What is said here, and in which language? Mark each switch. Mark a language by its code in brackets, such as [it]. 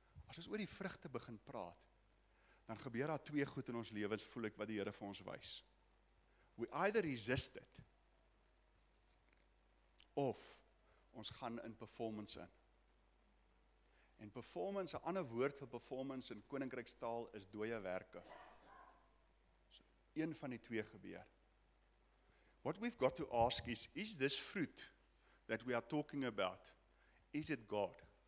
[af] As ons oor die vrug te begin praat, dan gebeur daar twee goed in ons lewens, voel ek wat die Here vir ons wys. [en] We either resist it, [af] of ons gaan in performance in. En performance, 'n ander woord vir performance in koninkrykstaal, is dooie werke. So, een van die twee gebeur. [en] What we've got to ask is this fruit that we are talking about, is it God?